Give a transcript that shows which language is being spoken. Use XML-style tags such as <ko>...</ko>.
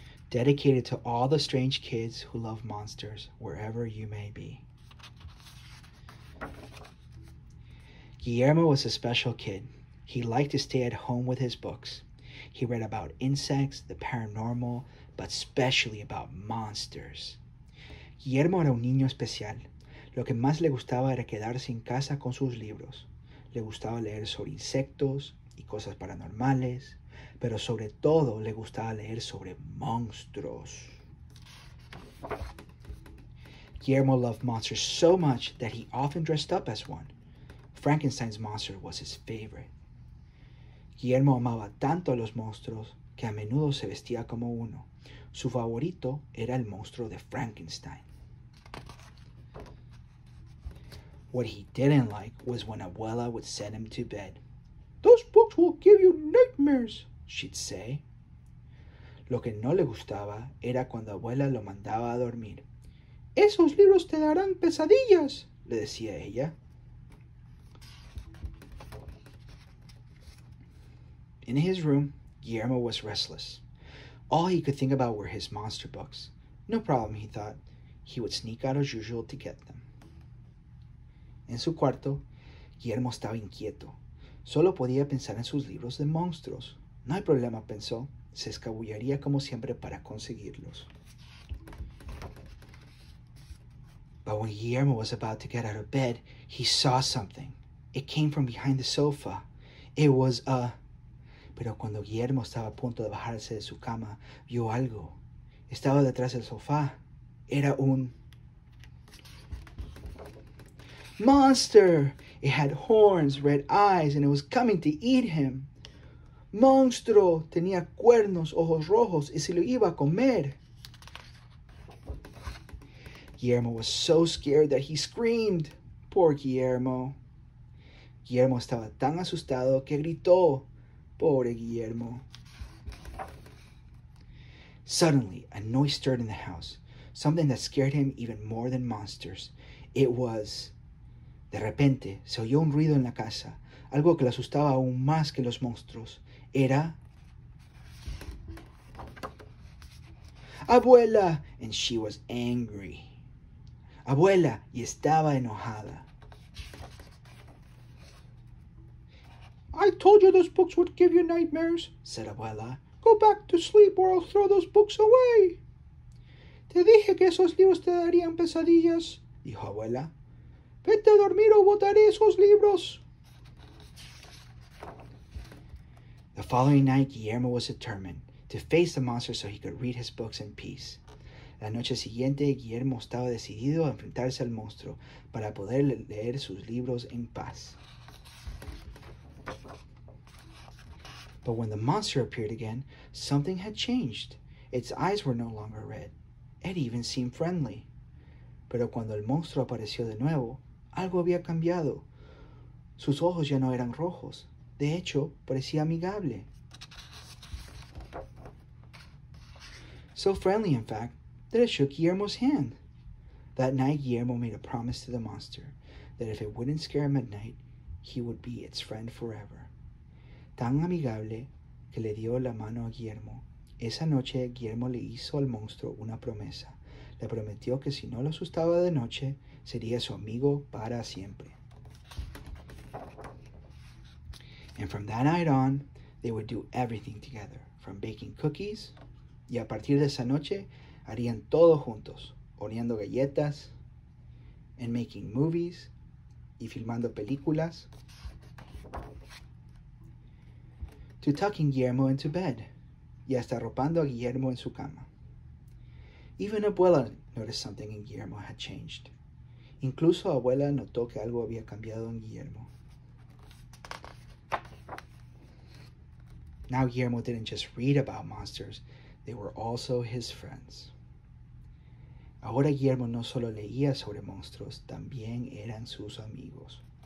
<en>Dedicated to all the strange kids who love monsters, wherever you may be. Guillermo was a special kid. He liked to stay at home with his books. He read about insects, the paranormal, but especially about monsters.</en> <es>Guillermo era un niño especial. Lo que más le gustaba era quedarse en casa con sus libros. Le gustaba leer sobre insectos y cosas paranormales. Pero sobre todo le gustaba leer sobre monstruos.</es> <en>Guillermo loved monsters so much that he often dressed up as one. Frankenstein's monster was his favorite.</en> <es>Guillermo amaba tanto a los monstruos que a menudo se vestía como uno. Su favorito era el monstruo de Frankenstein.</es> <en>What he didn't like was when Abuela would send him to bed. Those books will give you nightmares, she'd say.</en> <es>Lo que no le gustaba era cuando abuela lo mandaba a dormir. Esos libros te darán pesadillas, le decía ella.</es> <en>In his room, Guillermo was restless. All he could think about were his monster books. No problem, he thought. He would sneak out as usual to get them.</en> <es>En su cuarto, Guillermo estaba inquieto. Solo podía pensar en sus libros de monstruos. No hay problema, pensó. Se escabullaría como siempre para conseguirlos.</es> <en>But when Guillermo was about to get out of bed, he saw something. It came from behind the sofa. It was a...</en> <es>Pero cuando Guillermo estaba a punto de bajarse de su cama, vio algo. Estaba detrás del sofá. Era un...</es> <en>Monster! It had horns, red eyes, and it was coming to eat him.</en> <es>Monstruo tenía cuernos, ojos rojos, y se lo iba a comer.</es> <en>Guillermo was so scared that he screamed. Poor Guillermo.</en> <es>Guillermo estaba tan asustado que gritó. Pobre Guillermo.</es> <en>Suddenly, a noise stirred in the house. Something that scared him even more than monsters. It was...</en> <es>De repente, se oyó un ruido en la casa. Algo que le asustaba aún más que los monstruos. Era...</es> <en>Abuela! And she was angry.</en> <es>Abuela, y estaba enojada.</es> <en>I told you those books would give you nightmares, said Abuela. Go back to sleep or I'll throw those books away.</en> <es>Te dije que esos libros te darían pesadillas, dijo Abuela. Vete a dormir o botaré esos libros.</es> <en>The following night, Guillermo was determined to face the monster so he could read his books in peace.</en> <es>La noche siguiente, Guillermo estaba decidido a enfrentarse al monstruo para poder leer sus libros en paz.</es> <en>But when the monster appeared again, something had changed. Its eyes were no longer red. It even seemed friendly.</en> <es>Pero cuando el monstruo apareció de nuevo, algo había cambiado. Sus ojos ya no eran rojos. De hecho, parecía amigable.</es> <en>So friendly, in fact, that it shook Guillermo's hand. That night, Guillermo made a promise to the monster that if it wouldn't scare him at night, he would be its friend forever.</en> <es>Tan amigable que le dio la mano a Guillermo. Esa noche, Guillermo le hizo al monstruo una promesa. Le prometió que si no lo asustaba de noche, sería su amigo para siempre.</es> <en>And from that night on, they would do everything together, from baking cookies.</en> <es>Y a partir de esa noche, harían todo juntos, horneando galletas,</es> <en>and making movies,</en> <es>y filmando películas,</es> <en>to tucking Guillermo into bed,</en> <es>y hasta arropando a Guillermo en su cama.</es> <en>Even Abuela noticed something in Guillermo had changed.</en> <es>Incluso Abuela notó que algo había cambiado en Guillermo.</es> <en>Now Guillermo didn't just read about monsters, they were also his friends.</en> <es>Ahora Guillermo no solo leía sobre monstruos, también eran sus amigos.</es>